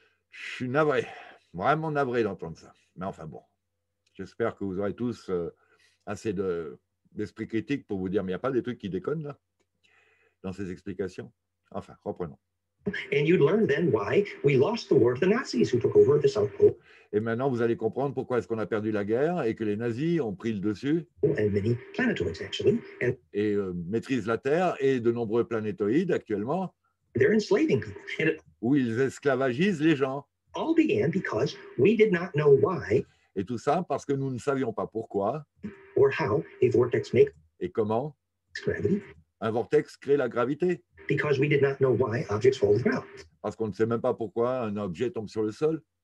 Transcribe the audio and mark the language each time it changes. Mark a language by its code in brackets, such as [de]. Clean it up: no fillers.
[fr] Je suis navré, vraiment navré d'entendre ça. Mais enfin bon, j'espère que vous aurez tous assez d'esprit critique pour vous dire, mais il n'y a pas des trucs qui déconnent là, dans ces explications. Enfin, reprenons. [en] And you'd learn then why we lost the war to the Nazis who took over the South Pole. [fr] Et maintenant, vous allez comprendre pourquoi est-ce qu'on a perdu la guerre et que les nazis ont pris le dessus. [en] And many planetoids actually. [fr] Et maîtrisent la Terre et de nombreux planétoïdes actuellement. [en] They're enslaving people. [fr] Où ils esclavagisent les gens. [en] All began because we did not know why. [fr] Et tout ça parce que nous ne savions pas pourquoi. [en] Or how a vortex makes. [fr] Et comment? [en] Gravity. [fr] Un vortex crée la gravité. [en] Because we did not know why objects fall to the ground. [fr] Parce qu'on ne sait même pas pourquoi un objet tombe sur le sol.